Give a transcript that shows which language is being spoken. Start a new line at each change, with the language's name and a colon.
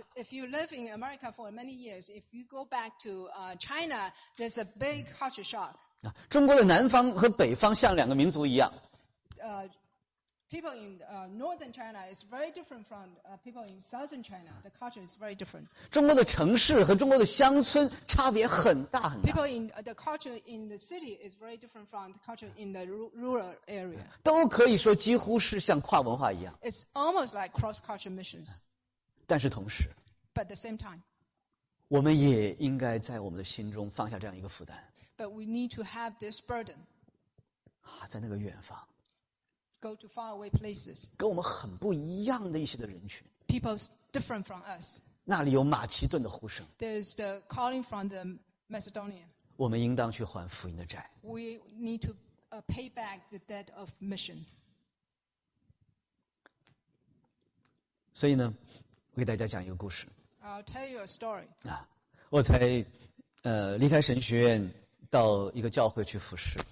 English: If you live in America for many years, if you go back to China, there's a big culture shock.
Chinese: 中国的南方和北方像两个民族一样。
English: People in northern China is very different from people in southern China. The culture is very different.
Chinese: 中国的城市和中国的乡村差别很大很大。
English: People in the culture in the city is very different from the culture in the rural area.
Chinese: 都可以说几乎是像跨文化一样。
English: It's almost like cross-culture missions.
Chinese: 但是同时。
English: But at the same time.
Chinese: 我们也应该在我们的心中放下这样一个负担。
English: But we need to have this burden.
Chinese: 在那个远方。
English: Go to faraway places.
Chinese: 跟我们很不一样的一些的人群。
English: People different from us.
Chinese: 那里有马其顿的呼声。
English: There's the calling from the Macedonian.
Chinese: 我们应当去还福音的债。
English: We need to pay back the debt of mission.
Chinese: 所以呢，我给大家讲一个故事。
English: I'll tell you a story.
Chinese: 啊，我才离开神学院到一个教会去服侍。